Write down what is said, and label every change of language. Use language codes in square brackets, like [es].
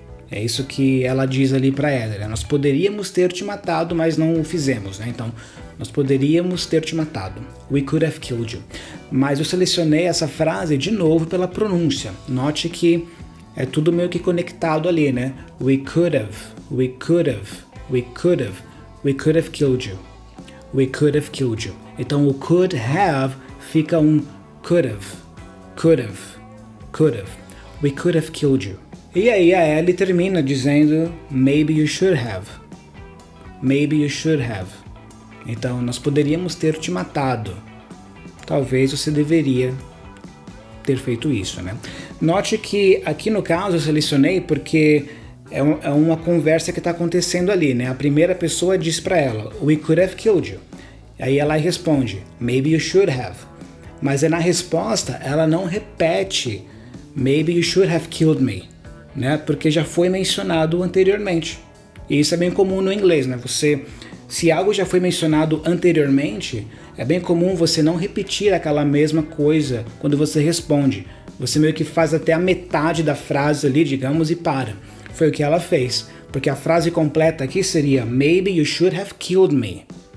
[pt] É isso que ela diz ali pra ela, né? Nós poderíamos ter te matado, mas não o fizemos, né? Então, nós poderíamos ter te matado. [en] We could have killed you. [pt] Mas eu selecionei essa frase de novo pela pronúncia. Note que é tudo meio que conectado ali, né? [en] We could have, we could have, we could have, we could have killed you. We could have killed you. [pt] Então, o [en] could have [pt] fica um [en] could have, could have, could have. We could have killed you. [pt] E aí a Ellie termina dizendo, [en] maybe you should have, maybe you should have. [pt] Então, nós poderíamos ter te matado, talvez você deveria ter feito isso, né? Note que aqui no caso eu selecionei porque é uma conversa que está acontecendo ali, né? A primeira pessoa diz para ela, [en] we could have killed you. [pt] Aí ela responde, [en] maybe you should have. [pt] Mas aí na resposta ela não repete, [en] maybe you should have killed me. [pt] Né? Porque já foi mencionado anteriormente. E isso é bem comum no inglês, né? Você, se algo já foi mencionado anteriormente, é bem comum você não repetir aquela mesma coisa quando você responde. Você meio que faz até a metade da frase ali, digamos, e para. Foi o que ela fez. Porque a frase completa aqui seria, [en] maybe you should have killed me.